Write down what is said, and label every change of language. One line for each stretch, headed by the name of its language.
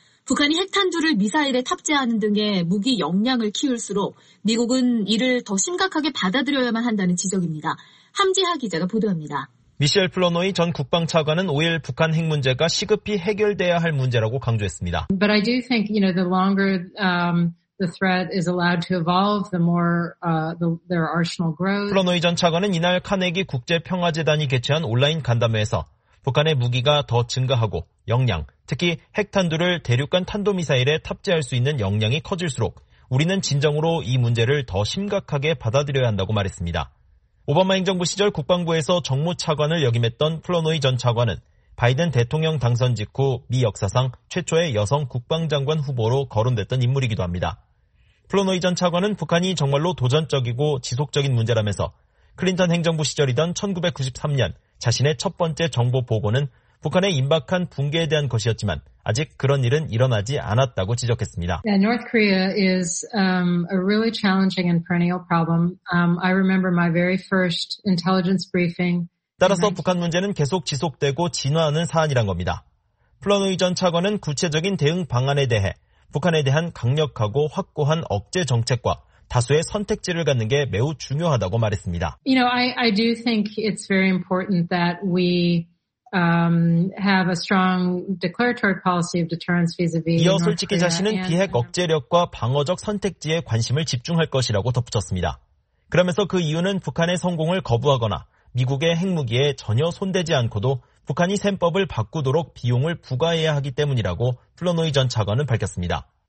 Korean: 북한이 핵탄두를 미사일에 탑재하는 등의 무기 역량을 키울수록 미국은 이를 더 심각하게 받아들여야만 한다는 지적입니다. 함지하 기자가 보도합니다. 미셸 플러노이 전 국방차관은 5일 북한 핵 문제가 시급히 해결돼야 할 문제라고 강조했습니다.
English: But I do think, you know, the longer the threat is allowed to evolve, the more their arsenal grows.
Korean: 플러노이 전 차관은 이날 카네기 국제평화재단이 개최한 온라인 간담회에서 북한의 무기가 더 증가하고 역량, 특히 핵탄두를 대륙간 탄도미사일에 탑재할 수 있는 역량이 커질수록 우리는 진정으로 이 문제를 더 심각하게 받아들여야 한다고 말했습니다. 오바마 행정부 시절 국방부에서 정무차관을 역임했던 플러노이 전 차관은 바이든 대통령 당선 직후 미 역사상 최초의 여성 국방장관 후보로 거론됐던 인물이기도 합니다. 플러노이 전 차관은 북한이 정말로 도전적이고 지속적인 문제라면서 클린턴 행정부 시절이던 1993년 자신의 첫 번째 정보 보고는 북한의 임박한 붕괴에 대한 것이었지만 아직 그런 일은 일어나지 않았다고 지적했습니다.
English: Yeah, North Korea is a really challenging and perennial problem. I remember my very first intelligence briefing.
Korean: 따라서 북한 문제는 계속 지속되고 진화하는 사안이란 겁니다. 플러노이 전 차관은 구체적인 대응 방안에 대해 북한에 대한 강력하고 확고한 억제 정책과 다수의 선택지를 갖는 게 매우 중요하다고 말했습니다.
English: You know, I do think it's very important that we have a strong declaratory policy of deterrence vis-a-vis.
Korean: 이어 솔직히 자신은 비핵 억제력과 방어적 선택지에 관심을 집중할 것이라고 덧붙였습니다. 그러면서 그 이유는 북한의 성공을 거부하거나 미국의 핵무기에 전혀 손대지 않고도 북한이 셈법을 바꾸도록 비용을 부과해야 하기 때문이라고 플러노이 전 차관은 밝혔습니다.